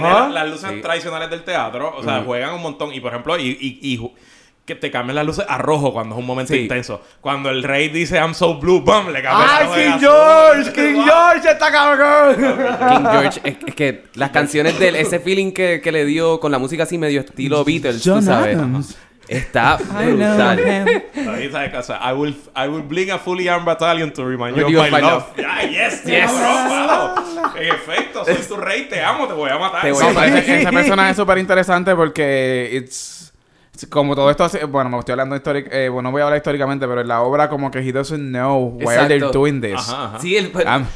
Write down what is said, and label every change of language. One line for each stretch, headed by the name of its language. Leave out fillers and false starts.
Spanish: Las luces, sí, tradicionales del teatro, o sea, juegan un montón. Y por ejemplo, que te cambien las luces a rojo cuando es un momento, sí, intenso. Cuando el rey dice
English: I'm so blue,
Spanish: ¡bam! Le cambia. ¡Ay, King George! ¡King George está cabrón! King George, es que las canciones de él, ese feeling que le dio con la música así medio estilo Beatles, John, tú sabes. Adams. Está brutal.
English: I will bring a fully armed battalion to remind you of my love. Yes.
Spanish: En efecto, soy tu rey, te amo, te voy a matar. Ese personaje es súper interesante porque it's como todo esto. Bueno, me estoy hablando no voy a hablar históricamente, pero en la obra como que
English: he doesn't know why,
Spanish: exacto,
English: they're doing this.
Spanish: Ajá, ajá.